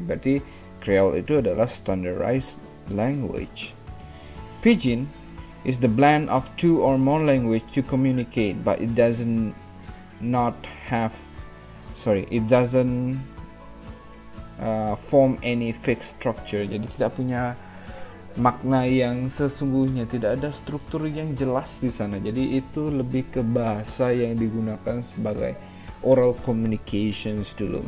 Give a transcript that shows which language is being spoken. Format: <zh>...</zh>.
<id>Berarti Creole itu adalah</id> <en>standardized language. Pidgin is the blend of two or more language to communicate but it doesn't not have sorry it doesn't form any fixed structure.</en> <id>Jadi tidak punya makna yang sesungguhnya, tidak ada struktur yang jelas di sana. Jadi itu lebih ke bahasa yang digunakan sebagai oral communications dulu.</id>